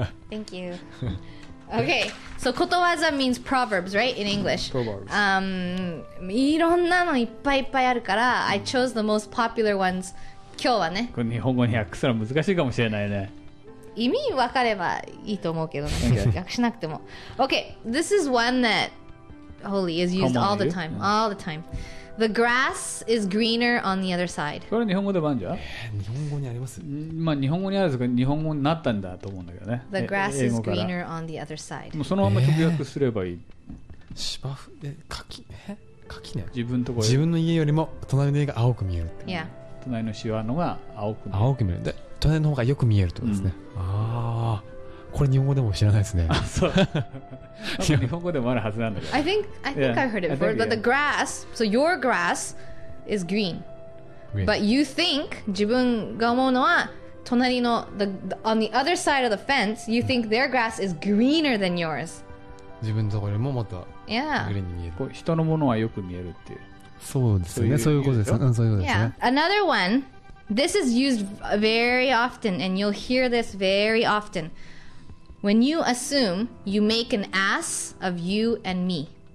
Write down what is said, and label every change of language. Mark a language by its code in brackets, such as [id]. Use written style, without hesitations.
[en] Thank you. Okay. So, ことわざ means proverbs, right? In English. Proverbs. [ja] いろんなのいっぱいいっぱいあるから、 [en] I chose the most popular ones. [ja] 今日はね。これ日本語に訳すら難しいかもしれないね。意味わかればいいと思うけど、ね、訳しなくても。 [en] Okay, this is one that, holy, is used all the time. All the time. The grass is greener on the other side. [ja] これ日本語でもあるんじゃ？日本語にあります。まあ日本語にあるんですけど、日本語になったんだと思うんだけどね。 The grass is greener on the other side. もうそのまま直訳すればいい。芝生、柿、柿ね。自分のところ。自分の家よりも隣の家が青く見えるって。 [en] Yeah. [ja] 隣の芝のが青く見える。青く見える。で、隣の方がよく見えるってことですね。うん、ああ、これ日本語でも知らないですね。あ、そう。日本語でもあるはずなんだけど。 [en] I think I heard it before. But the grass, so your grass is green. But you think, [ja] 自分が思うのは、隣の [en] the on the other side of the fence, you think their grass is greener than yours. [ja] 自分のところもまたグリーンに見える。こう人のものはよく見えるっていう。そうですね。そういうことですね。そういうことですね。 [en] Another one. This is used very often, and you'll hear this very often. When you assume, you make an ass of you and me.